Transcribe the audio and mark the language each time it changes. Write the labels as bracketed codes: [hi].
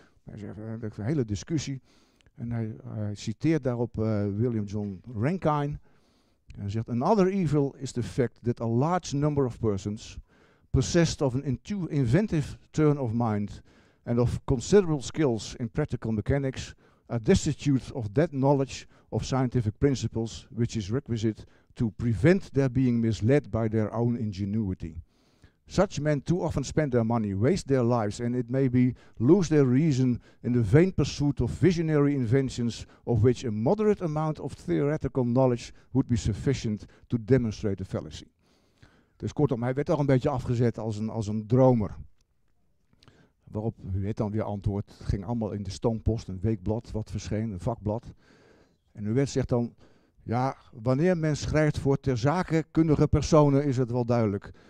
[nl] Hij zegt, dat is een hele discussie. En hij citeert daarop William John Rankine. Hij zegt, [en] another evil is the fact that a large number of persons possessed of an inventive turn of mind and of considerable skills in practical mechanics are destitute of that knowledge of scientific principles which is requisite to prevent their being misled by their own ingenuity. Such men too often spend their money, waste their lives, and it may be lose their reason in the vain pursuit of visionary inventions of which a moderate amount of theoretical knowledge would be sufficient to demonstrate the fallacy. [nl] Dus kortom, hij werd al een beetje afgezet als een dromer. Waarop Huet dan weer antwoordt, het ging allemaal in de Stoompost, een weekblad wat verscheen, een vakblad. En Huet zegt dan, ja, wanneer men schrijft voor ter zakenkundige personen is het wel duidelijk.